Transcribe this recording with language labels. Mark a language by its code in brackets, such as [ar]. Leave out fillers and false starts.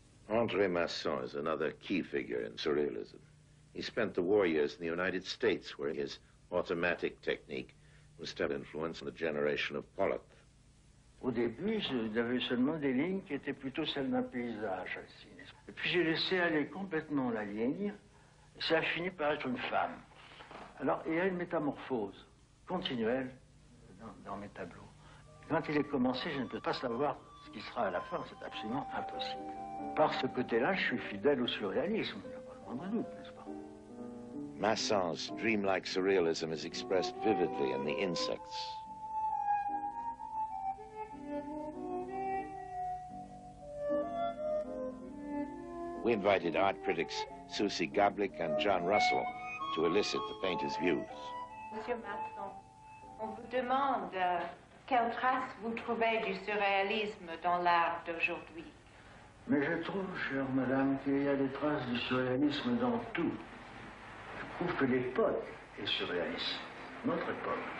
[en] André Masson is another key figure in surrealism. He spent the war years in the United States, where his automatic technique was still influenced on the generation of Pollock. [fr] Au début, j'avais seulement des lignes qui étaient plutôt celles d'un paysage. Et puis j'ai laissé aller complètement la ligne, et ça a fini par être une femme. Alors il y a une métamorphose continuelle dans mes tableaux. Quand il est commencé, je ne peux pas savoir ce qui sera à la fin, c'est absolument impossible. Par ce côté-là, je suis fidèle au surréalisme, il n'y a pas le moindre doute. [en] Masson's dreamlike surrealism is expressed vividly in the insects. We invited art critics Susie Gablik and John Russell to elicit the painter's views. [fr] Monsieur Masson, on vous demande quelle trace vous trouvez du surréalisme dans l'art d'aujourd'hui. Mais je trouve, chère madame, qu'il y a des traces du surréalisme dans tout. Je trouve que l'époque est surréaliste, notre époque.